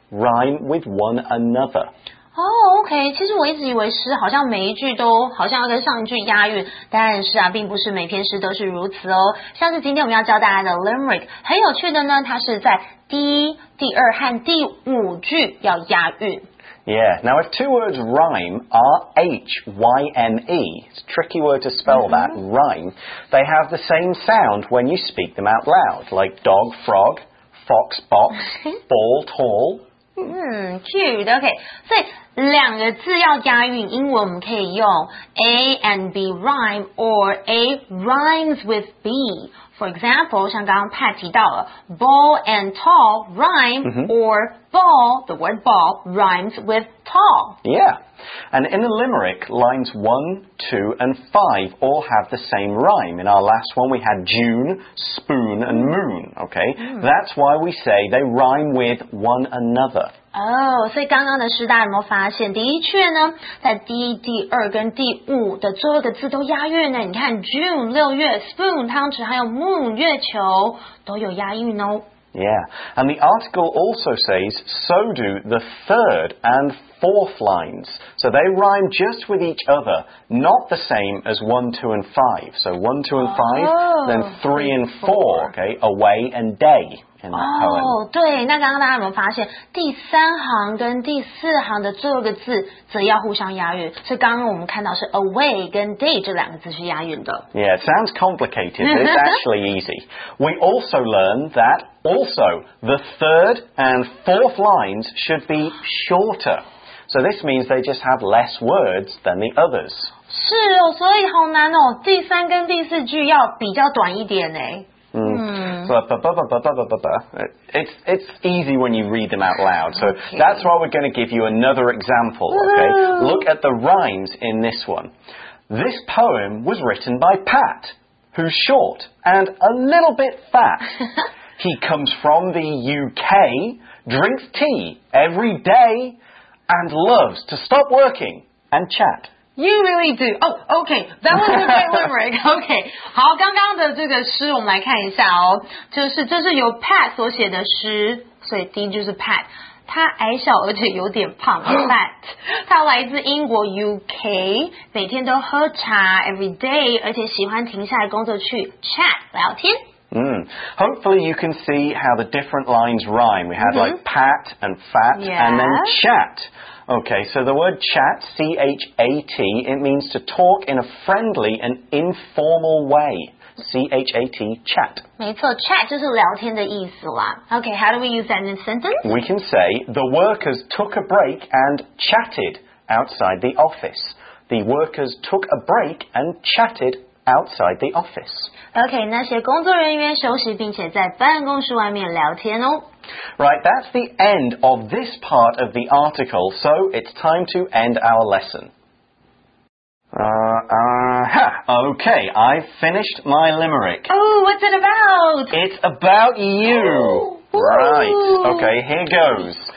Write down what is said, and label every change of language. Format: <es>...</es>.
<en>rhyme with one another. Oh, okay.</en> <zh>其实我一直以为诗好像每一句都好像要跟上一句押韵，但是啊，并不是每篇诗都是如此哦。像是今天我们要教大家的 limerick， 很有趣的呢，它是在第一、第二和第五句要押韵。</zh> <en>Yeah, now if two words rhyme, R-H-Y-M-E, it's a tricky word to spell that, rhyme, they have the same sound when you speak them out loud, like dog, frog, fox, box, ball, tall. cute, okay.</en> <zh>所以两个字要押韵，英文我们可以用</zh> <en>A and B rhyme, or A rhymes with B. For example,</en> <zh>像刚刚</zh> <en>Pat</en> <zh>提到了</zh> <en>ball and tall rhyme, or ball, the word ball, rhymes with tall. Yeah. And in a limerick, lines 1, 2, and 5 all have the same rhyme. In our last one, we had June, spoon, and moon, okay? That's why we say they rhyme with one another.</en> <zh>所以刚刚的诗大家有没有发现的确呢在第一第二跟第五的最后一个字都押韵呢你看 June 六月 Spoon 汤匙还有 Moon 月球都有押韵哦</zh> <en>Yeah and the article also says so do the third and fourth lines so they rhyme just with each other not the same as 1, 2, and 5 so 1, 2, and 5、then 3 and 4 okay away and day</en> <zh>对那刚刚大家有没有发现第三行跟第四行的最后一个字则要互相押韵所以刚刚我们看到是 away 跟 day 这两个字是押韵的</zh> <en>Yeah, it sounds complicated, but it's actually easy. We also learned that also the third and fourth lines should be shorter. So this means they just have less words than the others.</en> <zh>是哦，所以好难哦。第三跟第四句要比较短一点呢。</zh> <en>It's easy when you read them out loud. So that's why we're going to give you another example. Okay, look at the rhymes in this one. This poem was written by Pat, who's short and a little bit fat. He comes from the UK, drinks tea every day. And loves to stop working and chat. You really do. Oh, okay. That was a great limerick. Okay.</en> <zh>好，刚刚的这个诗我们来看一下哦。就是这是由 Pat 所写的诗，所以第一句是 Pat。他矮小而且有点胖 ，fat。他来自英国 UK， 每天都喝茶 ，</zh> <en>every day，</en> <zh>而且喜欢停下来工作去 chat 聊天。</zh> <en>Hopefully you can see how the different lines rhyme. We had like pat and fat and then chat. Okay, so the word chat, C-H-A-T, it means to talk in a friendly and informal way. C-H-A-T, chat. 没错 ,chat 就是聊天的意思啦。 Okay, how do we use that in a sentence? We can say, the workers took a break and chatted outside the office. The workers took a break and chatted outside the office.</en> <zh>Okay, 那些工作人员休息并且在办公室外面聊天哦。</zh> <en>Right, that's the end of this part of the article, so it's time to end our lesson. Okay, I've finished my limerick. Oh, what's it about? It's about you. Ooh. Right, okay, here goes.</en>